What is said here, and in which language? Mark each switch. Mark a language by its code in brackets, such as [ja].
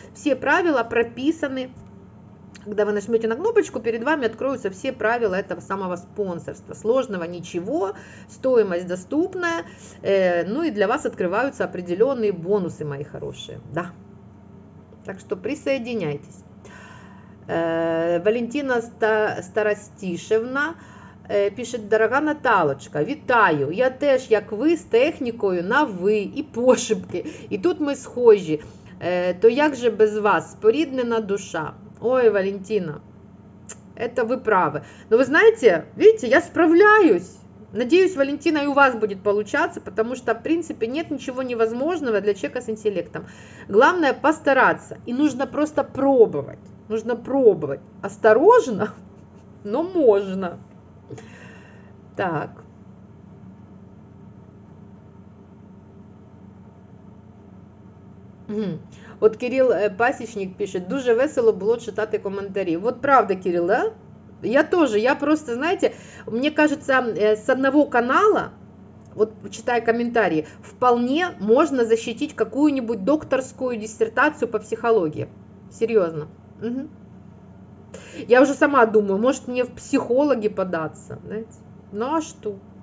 [ru] Все правила прописаны. Когда вы нажмете на кнопочку, перед вами откроются все правила этого самого спонсорства. Сложного ничего, стоимость доступная, ну и для вас открываются определенные бонусы, мои хорошие. Да. Так что присоединяйтесь. [uk] Валентина Старостишевна пишет: дорога Наталочка, вітаю, я теж, як ви, з технікою на ви і пошибки. І тут ми схожі, то як же без вас, споріднена душа. [ru] Ой, Валентина, это вы правы. Но вы знаете, видите, я справляюсь. Надеюсь, Валентина, и у вас будет получаться, потому что, в принципе, нет ничего невозможного для человека с интеллектом. Главное постараться. И нужно просто пробовать. Нужно пробовать. Осторожно, но можно. Так. [uk] От Кирилл Пасічник пишет: дуже весело було читати коментарі. [ru] От правда, Кирилл, да? Я тоже, я просто, знаете, мне кажется, с одного канала, вот читая комментарии, вполне можно защитить какую-нибудь докторскую диссертацию по психологии. Серьезно. Угу. Я уже сама думаю, может мне в психологи податься, знаете. Ну а что?